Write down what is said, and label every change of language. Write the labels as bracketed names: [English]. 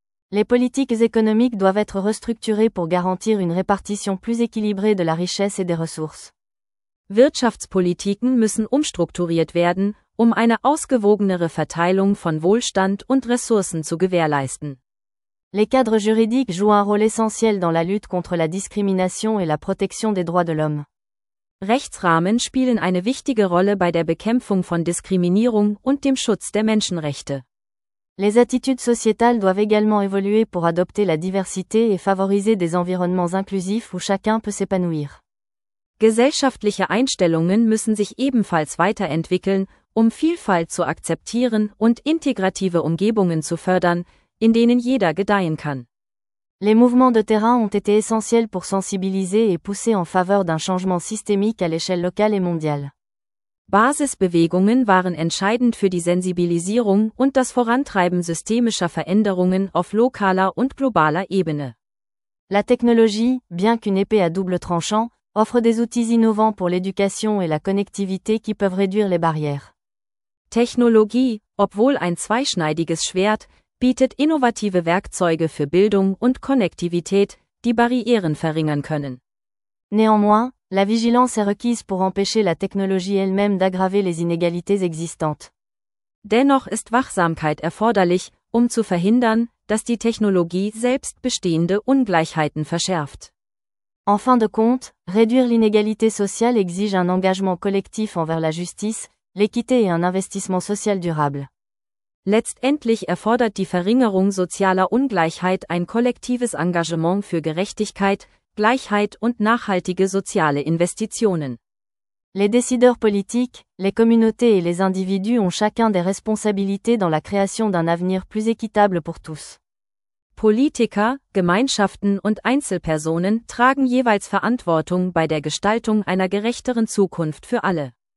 [French] Les politiques économiques doivent être restructurées pour garantir une répartition plus équilibrée de la richesse et des ressources. [German] Wirtschaftspolitiken müssen umstrukturiert werden, um eine ausgewogenere Verteilung von Wohlstand und Ressourcen zu gewährleisten. [French] Les cadres juridiques jouent un rôle essentiel dans la lutte contre la discrimination et la protection des droits de l'homme. [German] Rechtsrahmen spielen eine wichtige Rolle bei der Bekämpfung von Diskriminierung und dem Schutz der Menschenrechte. [French] Les attitudes sociétales doivent également évoluer pour adopter la diversité et favoriser des environnements inclusifs où chacun peut s'épanouir. [German] Gesellschaftliche Einstellungen müssen sich ebenfalls weiterentwickeln, um Vielfalt zu akzeptieren und integrative Umgebungen zu fördern, in denen jeder gedeihen kann. [French] Les mouvements de terrain ont été essentiels pour sensibiliser et pousser en faveur d'un changement systémique à l'échelle locale et mondiale. [German] Basisbewegungen waren entscheidend für die Sensibilisierung und das Vorantreiben systemischer Veränderungen auf lokaler und globaler Ebene. [French] La technologie, bien qu'une épée à double tranchant, offre des outils innovants pour l'éducation et la connectivité qui peuvent réduire les barrières. [German] Technologie, obwohl ein zweischneidiges Schwert, bietet innovative Werkzeuge für Bildung und Konnektivität, die Barrieren verringern können. [French] Néanmoins, la vigilance est requise pour empêcher la technologie elle-même d'aggraver les inégalités existantes. [German] Dennoch ist Wachsamkeit erforderlich, um zu verhindern, dass die Technologie selbst bestehende Ungleichheiten verschärft. [French] En fin de compte, réduire l'inégalité sociale exige un engagement collectif envers la justice, l'équité et un investissement social durable. [German] Letztendlich erfordert die Verringerung sozialer Ungleichheit ein kollektives Engagement für Gerechtigkeit, Gleichheit und nachhaltige soziale Investitionen. [French] Les décideurs politiques, les communautés et les individus ont chacun des responsabilités dans la création d'un avenir plus équitable pour tous. [German] Politiker, Gemeinschaften und Einzelpersonen tragen jeweils Verantwortung bei der Gestaltung einer gerechteren Zukunft für alle.